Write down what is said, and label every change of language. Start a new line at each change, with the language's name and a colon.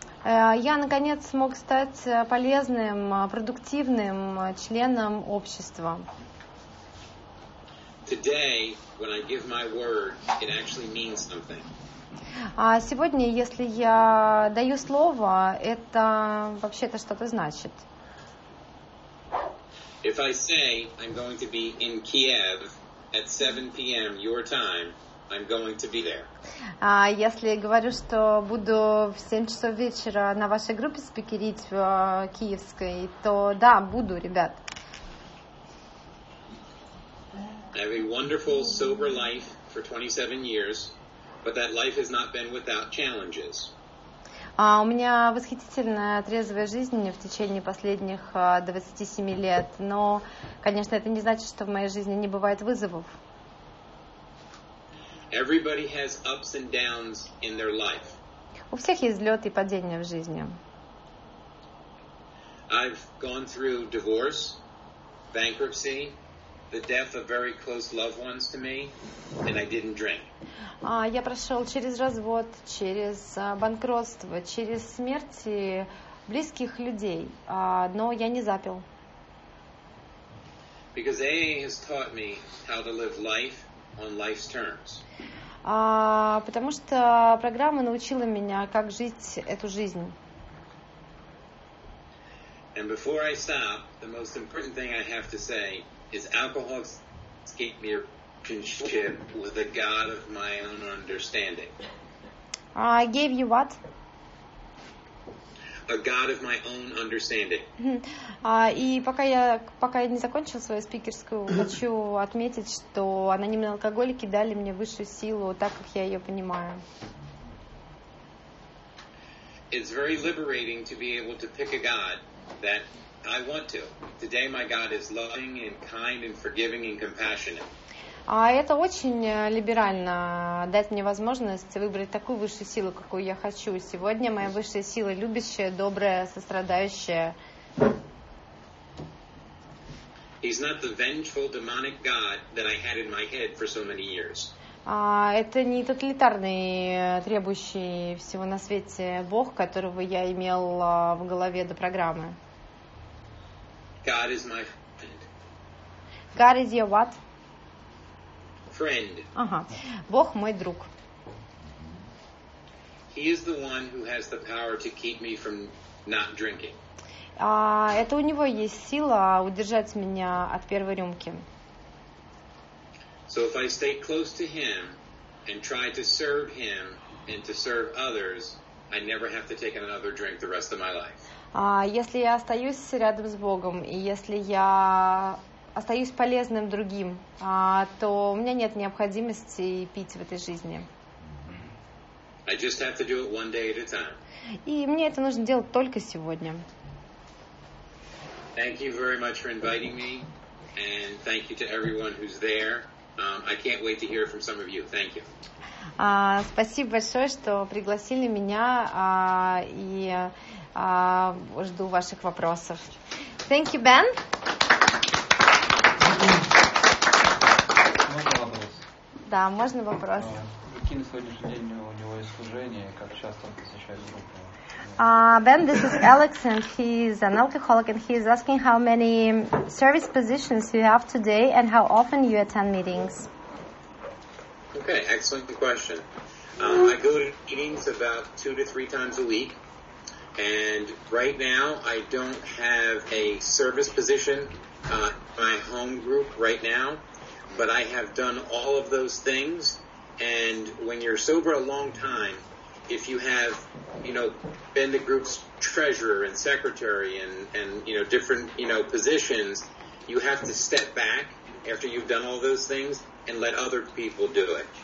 Russian: Я наконец смог стать полезным, продуктивным членом общества.
English: Today, when I give my word, it actually means something.
Russian: А сегодня, если я даю слово, это вообще-то что-то значит.
English: If I say I'm going to be in Kiev at 7 p.m. your time, I'm going to be there.
Russian: А если я говорю, что буду в 7 часов вечера на вашей группе спикерить в киевской, то да, буду, ребят.
English: I have a wonderful sober life for 27 years, but that life has not been without challenges.
Russian: У меня восхитительная трезвая жизнь в течение последних 27 лет, но, конечно, это не значит, что в моей жизни не бывает вызовов.
English: Everybody has ups and downs in their life.
Russian: У всех есть взлеты и падения в жизни.
English: I've gone through divorce, bankruptcy, the death of very close loved ones to me, and I didn't drink.
Russian: Я прошел через развод, через банкротство, через смерти близких людей, но я не запил.
English: Because AA has taught me how to live life on life's terms.
Russian: Потому что программа научила меня, как жить эту жизнь.
English: And before I stop, the most important thing I have to say is alcoholics gave me a relationship with a God of my own understanding. I gave you what? A God of my own understanding.
Russian: И пока я не закончил свою спикерскую, хочу отметить, что анонимные алкоголики дали мне высшую силу, так как я ее понимаю.
English: It's very liberating to be able to pick a God that I want to. Today my God is loving and kind and forgiving and compassionate.
Russian: А это очень либерально дать мне возможность выбрать такую высшую силу, какую я хочу. Сегодня моя высшая сила любящая, добрая, сострадающая.
English: He's not the vengeful demonic God that I had in my head for so many years.
Russian: Это не тоталитарный, требующий всего на свете Бог, которого я имел в голове до программы.
English: God is my friend. God is your what? Friend.
Russian: Ага. Бог мой друг.
English: He is the one who has the power to keep me from not drinking.
Russian: Это у него есть сила удержать меня от первой рюмки.
English: So if I stay close to him and try to serve him and to serve others, I never have to take another drink the rest of my life.
Russian: Если я остаюсь рядом с Богом, и если я остаюсь полезным другим, то у меня нет необходимости пить в этой жизни.
English: I just have to do it one day at a time.
Russian: И мне это нужно делать только сегодня.
English: Thank you very much for inviting me, and thank you to everyone who's there. I can't wait to hear from some of you. Thank you.
Russian: Спасибо большое, что пригласили меня, и жду ваших вопросов.
English: Thank you, Ben.
Russian: Можно вопрос? Да, можно вопрос. Какие на сегодняшний день у него есть служения, как часто он посещает группу?
English: Ben, this is Alex, and he is an alcoholic, and he is asking how many service positions you have today and how often you attend meetings. Okay, excellent question. I go to meetings about 2 to 3 times a week, and right now I don't have a service position in my home group right now, but I have done all of those things, and when you're sober a long time, if you have, you know, been the group's treasurer and secretary and you know, different, you know, positions, you have to step back after you've done all those things and let other people do it.